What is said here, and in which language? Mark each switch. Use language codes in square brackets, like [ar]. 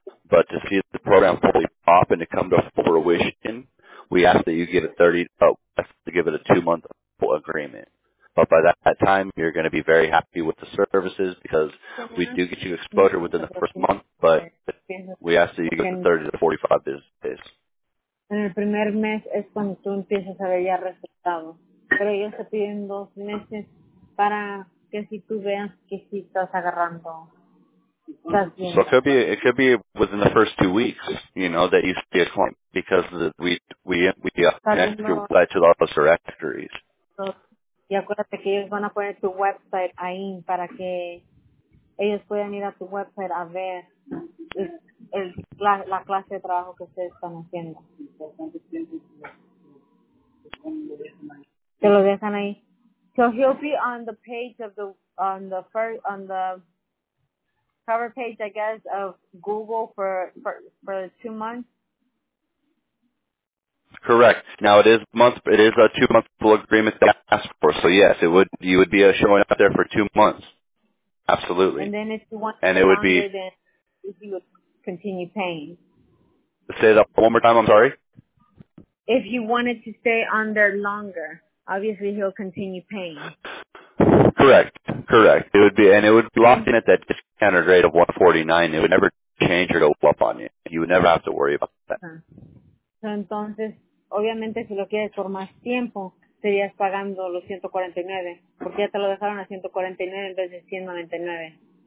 [en] But to see the program fully pop and to come to fruition, we ask that you give it 30, to give it a 2-month agreement. But by that time, you're going to be very happy with the services because we do get you exposure within the first month, but we ask that you give it 30 to 45 business days. [es] En el primer mes es cuando tú empiezas a ver ya resultados. Pero ellos te piden 2 meses para que si tú veas que si estás agarrando. [en] So it could be within the first 2 weeks, you know, that you see a client because we connect to those directories. [es] Y acuérdate que ellos van a poner tu website ahí para que ellos puedan ir a tu website a ver la clase de trabajo que ustedes están haciendo. Te lo dejan ahí. [en] So he'll be on the page of the cover page, I guess, of Google for 2 months. Correct. Now it is a 2-month full agreement that you asked for. So yes, you would be showing up there for 2 months. Absolutely. And then if you want, and it would be, then you would continue paying. Say that one more time. I'm sorry. If you wanted to stay on there longer, obviously he'll continue paying. Correct. Correct. It would be, and it would be locked in at that discounted rate of 149. It would never change or go up on you. You would never have to worry about that. So, [es] entonces, obviamente, si lo quieres por más tiempo, serías pagando los 149, porque ya te lo dejaron a 149 en vez de 199.